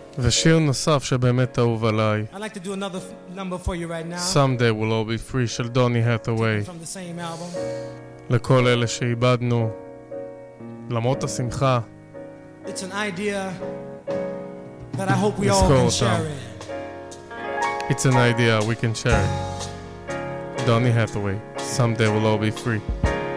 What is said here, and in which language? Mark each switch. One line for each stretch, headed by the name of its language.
Hebrew: שיר נוסף שבאמת אהוב עליי,
English: I'd like to do another number for you right now.
Hebrew: Someday We'll All Be Free של דוני הת'אווי. לכל אלה שאיבדנו, למרות השמחה,
English: it's an idea that I hope we all can share it. It's an idea we can share it. דוני הת'אווי, Someday We'll All Be Free.